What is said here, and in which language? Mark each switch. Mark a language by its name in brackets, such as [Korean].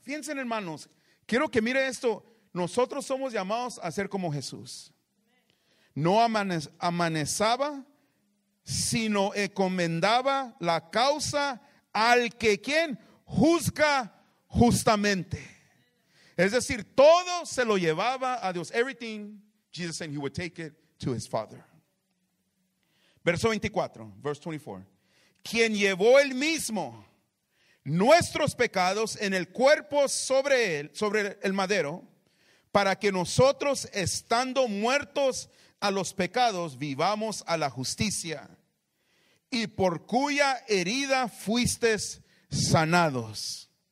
[Spanish] Fíjense, hermanos, quiero que mire esto. Nosotros somos llamados a ser como Jesús. No amenazaba, sino encomendaba la causa al que quien juzga justamente. Es decir, todo se lo llevaba a Dios. [English] Everything, Jesus said he would take it to his Father. [Spanish] Verso 24, [English] verse 24. [Spanish] Quien llevó él mismo nuestros pecados en el cuerpo sobre el madero, para que nosotros, estando muertos a los pecados, vivamos a la justicia, y por cuya herida fuisteis sanados.